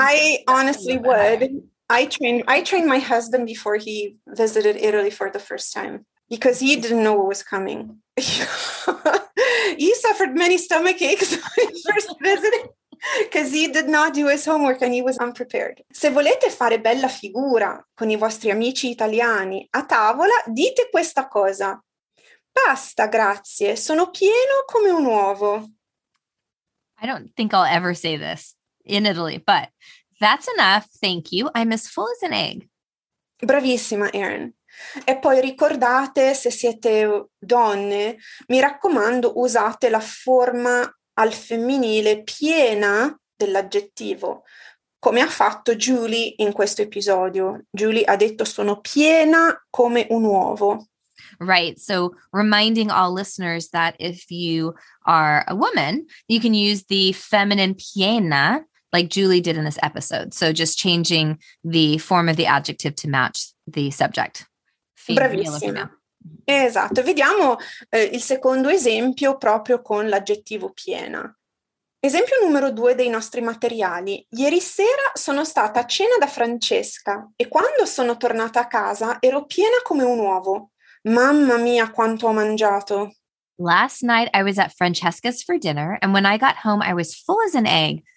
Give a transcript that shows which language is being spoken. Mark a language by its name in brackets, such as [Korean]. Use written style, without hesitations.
[English] I honestly would. I trained my husband before he visited Italy for the first time. because he didn't know what was coming. He suffered many stomach aches when he first visited because he did not do his homework and he was unprepared. [Italian] Se volete fare bella figura con i vostri amici italiani a tavola, dite questa cosa. Pasta, grazie. Sono pieno come un uovo. [English] I don't think I'll ever say this in Italy, but that's enough. Thank you. I'm as full as an egg. [Italian] Bravissima, Erin. E poi ricordate, se siete donne, mi raccomando, usate la forma al femminile piena dell'aggettivo, come ha fatto Julie in questo episodio. Julie ha detto sono piena come un uovo. [English] Right. So reminding all listeners that if you are a woman, you can use the feminine piena like Julie did in this episode. So just changing the form of the adjective to match the subject. [Italian] Bravissima. Esatto. Vediamo il secondo esempio proprio con l'aggettivo piena. Esempio numero due dei nostri materiali. Ieri sera sono stata a cena da Francesca e quando sono tornata a casa ero piena come un uovo. Mamma mia, quanto ho mangiato. [English] Last night I was at Francesca's for dinner and when I got home I was full as an egg.